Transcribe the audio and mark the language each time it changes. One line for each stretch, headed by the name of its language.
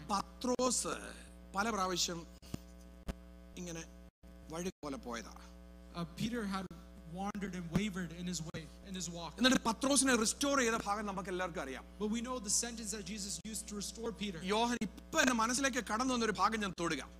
Malayalam: ഈ പത്രോസ് പല പ്രാവശ്യം ഇങ്ങനെ വഴി പോലെ പോയതാ.
English: Peter had wandered and wavered in his way, in his walk.
Malayalam: എന്നിട്ട് പത്രോസിനെ റിസ്റ്റോർ ചെയ്ത ഭാഗം നമുക്ക് എല്ലാവർക്കും അറിയാം.
English: But we know the sentence that Jesus used to restore Peter.
Malayalam: യോഹന്നാൻ ഇപ്പൊ എന്റെ മനസ്സിലേക്ക് കടന്നു വന്ന ഒരു ഭാഗം ഞാൻ തൊടുക.